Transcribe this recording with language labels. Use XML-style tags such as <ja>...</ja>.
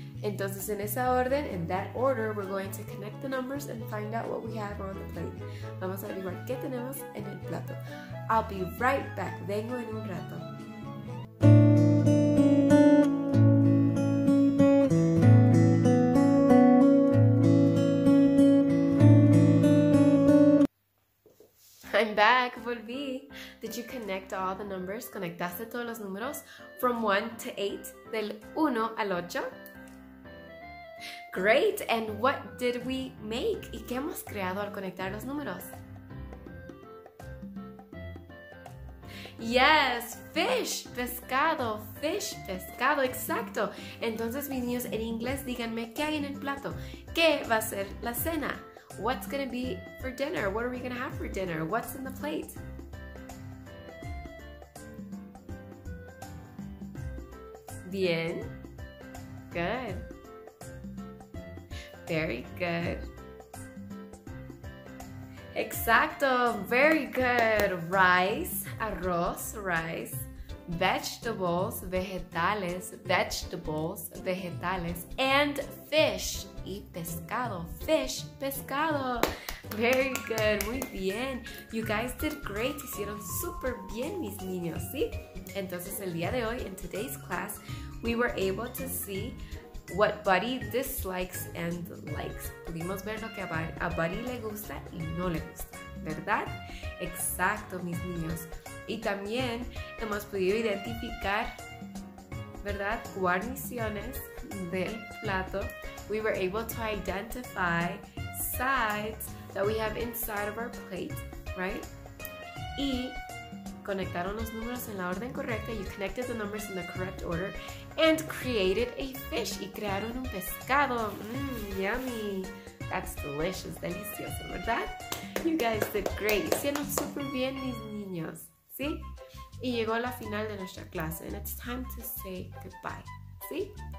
<es>Entonces, en esa orden,</es> <en>in that order, we're going to connect the numbers and find out what we have on the plate.</en> <es>Vamos a averiguar qué tenemos en el plato.</es> <en>I'll be right back.</en> <es>Vengo en un rato.</es> <en>I'm back. Volví. Did you connect all the numbers?</en> <es>¿Conectaste todos los números?</es> <en>From 1 to 8.</en> <es>Del 1 al 8. Great.</es> <en>And what did we make?</en> <es>¿Y qué hemos creado al conectar los números?</es> <en>Yes, fish, pescado, fish, pescado, exacto.</en> <es>Entonces, mis niños, en inglés, díganme, ¿qué hay en el plato? ¿Qué va a ser la cena?</es> <en>What's going to be for dinner? What are we going to have for dinner? What's in the plate?</en> <es>Bien. Good.</es> <en>Very good. Exacto. Very good. Rice.</en> <es>Arroz, rice, vegetables, vegetales, vegetables, vegetales, and fish, y pescado, fish, pescado.</es> <en>Very good, muy bien. You guys did great,</en> <es>hicieron super bien, mis niños, ¿sí? Entonces, el día de hoy,</es> <en>in today's class, we were able to see what Buddy dislikes and likes.</en> <es>Pudimos ver lo que a Buddy le gusta y no le gusta, ¿verdad? Exacto, mis niños. Y también hemos podido identificar, ¿verdad? Guarniciones del plato.</es> <en>We were able to identify sides, that we have inside of our plate, right?</en> <es>Y conectaron los números en la orden correcta.</es> <en>You connected the numbers in the correct order and created a fish.</en> <es>Y crearon un pescado.</es> <en>Yummy. That's delicious.</en> <es>Delicioso, ¿verdad?</es> <en>You guys did great.</en> <es>Hicieron súper bien, mis niños. ¿Sí? Y llegó la final de nuestra clase.</es> <en>And it's time to say goodbye.</en> <es>¿Sí?</es>